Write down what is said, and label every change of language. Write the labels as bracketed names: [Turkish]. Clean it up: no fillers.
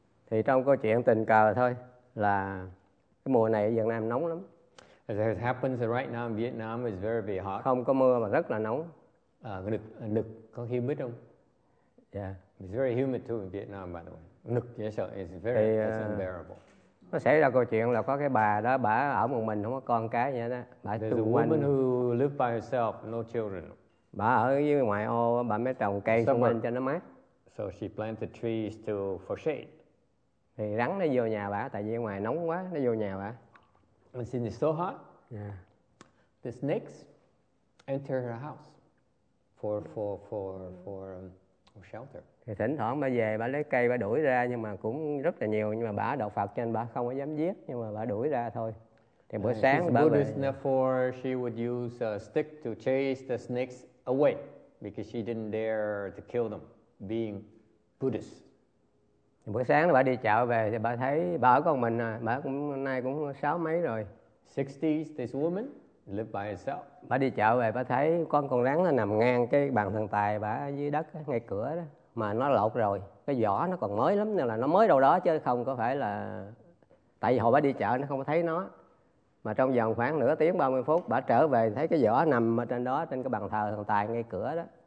[Vietnamese] Thì trong câu chuyện tình cờ thôi là cái mùa này ở Việt Nam nóng lắm. [English] As it happens right now, Vietnam is very, very hot. [Vietnamese] Không có mưa mà rất là nóng. Nực có humid không? [English] Yeah. It's very humid too in Vietnam, by the way. Nực, yes, it's very, it's unbearable. [Vietnamese] Nó xảy ra câu chuyện là có cái bà đó, bà ở một mình, không có con cái vậy đó. Bà [English] there's a woman who lives by herself, no children. [Vietnamese] Bà ở dưới ngoài ô, bà mới trồng cây xung quanh cho nó mát. [English] So she planted trees to for shade. [Vietnamese] Thì rắn nó vô nhà bà, tại vì ngoài nóng quá, nó vô nhà bà. [English] And since it's so hot, yeah. the snakes enter her house for shelter. [Vietnamese] Thì thỉnh thoảng bà về bà lấy cây bà đuổi ra, nhưng mà cũng rất là nhiều, nhưng mà bà đạo Phật cho nên bà không có dám giết, nhưng mà bà đuổi ra thôi. Thì bữa sáng bà về. [English] Buddhist, therefore she would use a stick to chase the snakes away because she didn't dare to kill them, being Buddhist. [Vietnamese] Bữa sáng bà đi chợ về thì bà thấy bà ở con mình à, bà cũng nay cũng sáu mấy rồi. [English] 60s, this woman lived by herself. [Vietnamese] Bà đi chợ về bà thấy con rắn nó nằm ngang cái bàn thần tài bà dưới đất ngay cửa đó, mà nó lột rồi, cái vỏ nó còn mới lắm, nên là nó mới đâu đó chứ không có phải là, tại vì hồi bà đi chợ nó không có thấy nó, mà trong vòng khoảng nửa tiếng 30 phút bà trở về thấy cái vỏ nằm ở trên đó, trên cái bàn thờ thần tài ngay cửa đó.